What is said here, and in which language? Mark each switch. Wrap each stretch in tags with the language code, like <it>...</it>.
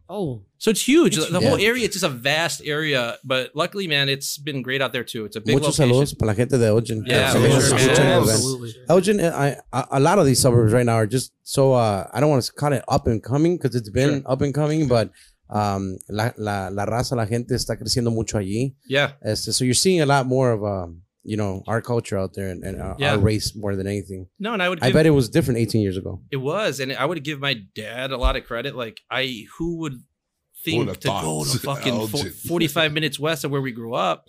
<en>Oh. So it's huge. It's, the whole area, it's just a vast area. But luckily, man, it's been great out there, too. It's a big</en> <es>Muchos</es> <en>location.</en> <es>Saludos para la gente de Elgin.</es> <en>Yeah. Absolutely. Elgin, a lot of these suburbs right now are just so, I don't want to call it up and coming, because it's been up and coming, but...</en> <es>La raza, la gente está creciendo mucho allí.</es> <en>Yeah. So you're seeing a lot more of, you know, our culture out there and our race more than anything. No, and I bet it was different 18 years ago. It was. And I would give my dad a lot of credit. Like, who would think to go to fucking 45 minutes west of where we grew up?</en>